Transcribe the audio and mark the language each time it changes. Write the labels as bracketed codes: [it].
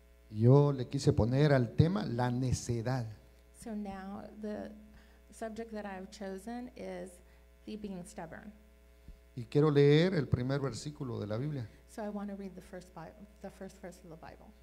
[es] Yo le quise poner al tema la necedad. [en] So now the subject that I've chosen is the being stubborn. [es] Y quiero leer el primer versículo de la Biblia. [en] So I want to read the first verse of the Bible.